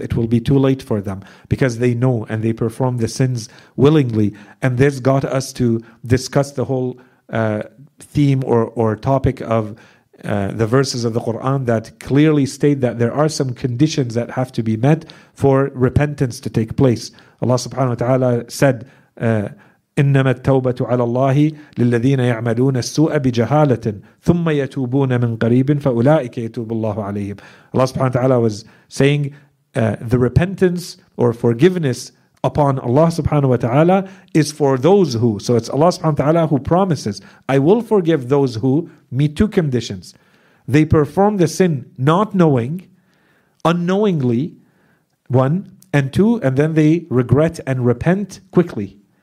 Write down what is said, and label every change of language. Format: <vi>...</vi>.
<en>It will be too late for them because they know and they perform the sins willingly. And this got us to discuss the whole theme or topic of the verses of the Quran that clearly state that there are some conditions that have to be met for repentance to take place.</en> <ar>Allah subhanahu wa ta'ala said, إنما التوبة على الله للذين يعملون السوء بجهالة ثم يتوبون من قريب فأولئك يتوب الله عليهم.</ar> <en>Allah subhanahu wa ta'ala was saying the repentance or forgiveness upon Allah subhanahu wa ta'ala is for those who. So it's Allah subhanahu wa ta'ala who promises, I will forgive those who meet two conditions. They perform the sin not knowing, unknowingly, one, and two, and then they regret and repent quickly.</en>